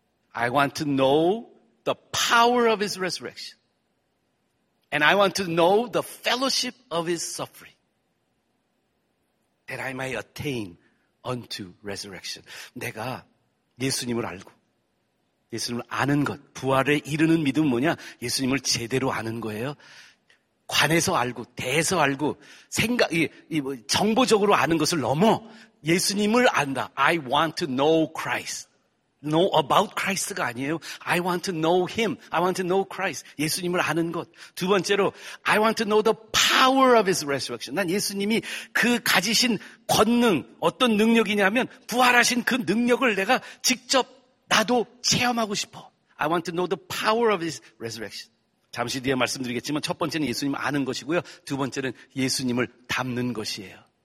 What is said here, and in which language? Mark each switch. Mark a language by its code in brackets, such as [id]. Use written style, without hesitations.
[en] I want to know the power of his resurrection. And I want to know the fellowship of his suffering. That I might attain unto resurrection. [ko] 내가 예수님을 알고 예수님을 아는 것, 부활에 이르는 믿음은 뭐냐? 예수님을 제대로 아는 거예요. 관해서 알고, 대해서 알고, 정보적으로 아는 것을 넘어 예수님을 안다. [en] I want to know Christ. Know about Christ [ko] 가 아니에요. [en] I want to know Him. I want to know Christ. [ko] 예수님을 아는 것. 두 번째로 [en] I want to know the power of His resurrection. [ko] 난 예수님이 그 가지신 권능, 어떤 능력이냐면 부활하신 그 능력을 내가 직접 나도 체험하고 싶어. [en] I want to know the power of his resurrection. [ko] 잠시 뒤에 말씀드리겠지만 첫 번째는 예수님 아는 것이고요. 두 번째는 예수님을 닮는 것이에요.